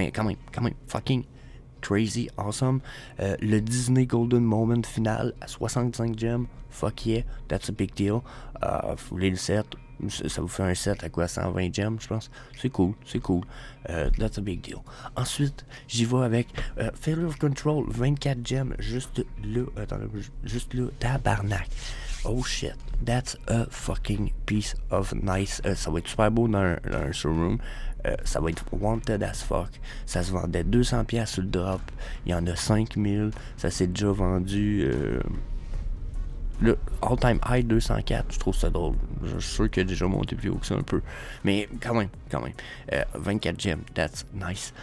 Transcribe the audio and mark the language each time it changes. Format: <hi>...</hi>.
<fr>Mais quand même,</fr> <en>fucking crazy, awesome.</en> <fr>Le Disney Golden Moment final à 65 gems,</fr> <en>fuck yeah, that's a big deal.</en> <fr>Foulez le set, ça vous fait un set à quoi, 120 gems, je pense. C'est cool.</fr> <en>That's a big deal.</en> <fr>Ensuite, j'y vais avec Failure of Control, 24 gems, juste là, tabarnak.</fr> <en>Oh shit, that's a fucking piece of nice.</en> <fr>Ça va être super beau dans un showroom. Ça va être</fr> <en>wanted as fuck.</en> <fr>Ça se vendait 200$ sur le drop. Il y en a 5000. Ça s'est déjà vendu. Le all-time high 204, je trouve ça drôle. Je suis sûr qu'il a déjà monté plus haut que ça un peu. Mais quand même. 24 gems,</fr> <en>that's nice.</en>